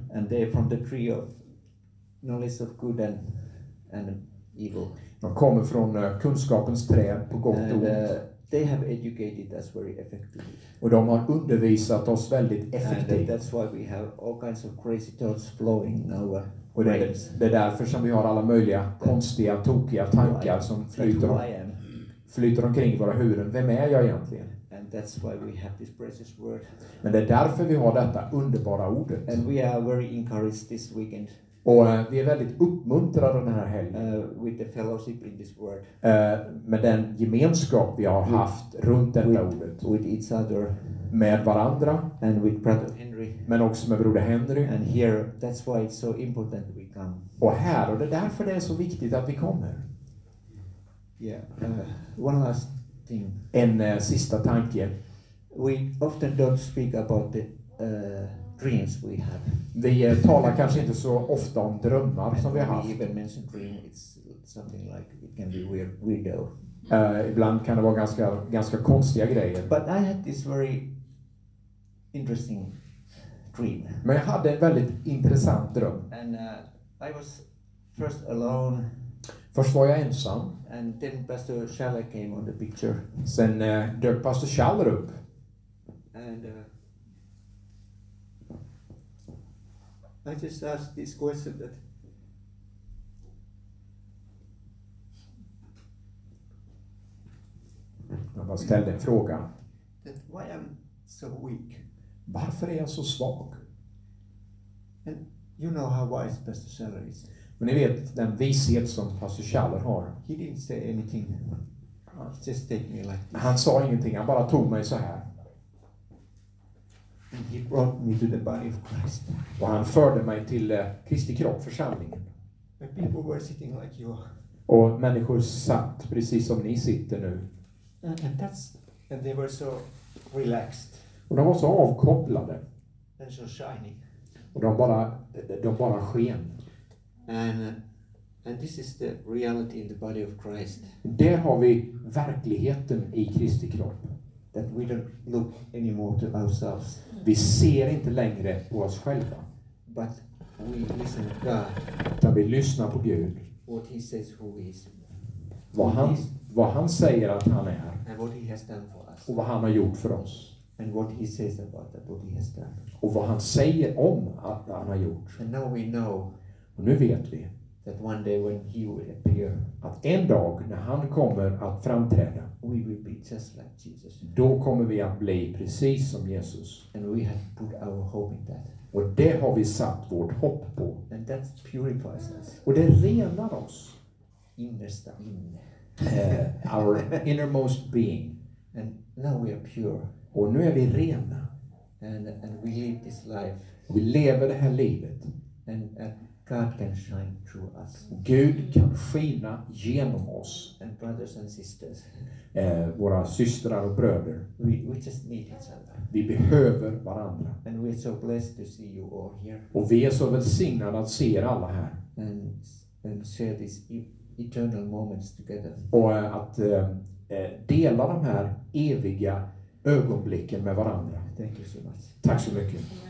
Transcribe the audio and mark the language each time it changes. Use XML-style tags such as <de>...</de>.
<en>And they're from the tree of knowledge of good and evil.</en> <sv>De kommer från kunskapens träd på gott och ont.</sv> <en>They have educated us very effectively.</en> <sv>Och de har undervisat oss väldigt effektivt.</sv> <en>And that's why we have all kinds of crazy thoughts flowing in our</en> <sv>och det,</sv> <en>brains.</en> <sv>Det är därför som vi har alla möjliga konstiga, tokiga tankar som flyter omkring våra huvuden. Vem är jag egentligen?</sv> <en>And that's why we have this precious word.</en> <sv>Men det är därför vi har detta underbara ordet.</sv> <en>And we are very encouraged this weekend.</en> <sv>Och vi är väldigt uppmuntrade den här helgen</sv> <en>with the fellowship in this word.</en> <sv>Med den gemenskap vi har haft runt detta ordet.</sv> <en>With each other.</en> <sv>Med varandra.</sv> <en>And with brother Henry.</en> <sv>Men också med broder Henry.</sv> <en>And here, that's why it's so important we come.</en> <sv>Och här, och det är därför det är så viktigt att vi kommer.</sv> <en>Yeah. One last thing.</en> <sv>En sista tanke.</sv> <en>We often don't speak about the dreams we have.</en> <sv>Vi talar kanske inte så ofta om drömmar som vi har haft.</sv> <en>Even mention dream, it's something like it can be weirdo.</en> <sv>Ibland kan det vara ganska konstiga grejer.</sv> <en>But I had this very interesting dream.</en> <sv>Men jag hade en väldigt intressant dröm.</sv> <en>And I was first alone.</en> <sv>Först var jag ensam.</sv> <en>And then Pastor Schaller came on the picture.</en> <sv>Sen dök Pastor Schaller upp.</sv> <en>And I just asked this question that</en> <sv>jag bara ställde en fråga.</sv> <en>That why I'm so weak.</en> <sv>Varför är jag så svag?</sv> <en>And you know how wise Pastor Schaller is.</en> <sv>Men ni vet den vishet som Pastor Schaller har.</sv> <en>He didn't say anything. He just take me like this.</en> <sv>Han sa ingenting. Han bara tog mig så här.</sv> <en>And he brought me to the body of Christ.</en> <sv>Och han förde mig till Kristi kropp, församlingen.</sv> <en>And people were sitting like you.</en> <sv>Och människor satt precis som ni sitter nu.</sv> <en>And they were so relaxed.</en> <sv>Och de var så avkopplade.</sv> <en>And so shiny.</en> <sv>Och de bara sken.</sv> <en>And this is the reality in the body of Christ.</en> <sv>Där har vi verkligheten i Kristi kropp.</sv> <en>That we don't look anymore to ourselves.</en> <sv>Vi ser inte längre på oss själva.</sv> <en>But we listen to God.</en> <sv>Där vi lyssnar på Gud.</sv> <en>What he says who he is.</en> <sv>Vad han säger att han är.</sv> <en>And what he has done for us.</en> <sv>Och vad han har gjort för oss.</sv> <en>And what he says about that, what he has done.</en> <sv>Och vad han säger om att han har gjort.</sv> <en>And now we know.</en> <sv>Och nu vet vi.</sv> <en>That one day when he will appear,</en> <sv>att en dag när han kommer att framträda,</sv> <en>we will be just like Jesus.</en> <sv>Då kommer vi att bli precis som Jesus.</sv> <en>And we have put our hope in that.</en> <sv>Och det har vi satt vårt hopp på.</sv> <en>And that purifies us.</en> <sv>Och det renar oss. Innersta inne.</sv> <en>Our innermost being. And now we are pure.</en> <sv>Och nu är vi rena.</sv> <en>And we live this life.</en> <sv>Och vi lever det här livet.</sv> <en>God can shine through us.</en> <sv>Gud kan skina genom oss.</sv> <en>And brothers and sisters.</en> <sv>Våra systrar och bröder.</sv> <en>We just need each other.</en> <sv>Vi behöver varandra.</sv> <en>And we're so blessed to see you all here.</en> <sv>Och vi är så välsignade att se er alla här.</sv> <en>And share these eternal moments together.</en> <sv>Och att dela de här eviga ögonblicken med varandra.</sv> <en>Thank you so much.</en> <sv>Tack så mycket.</sv>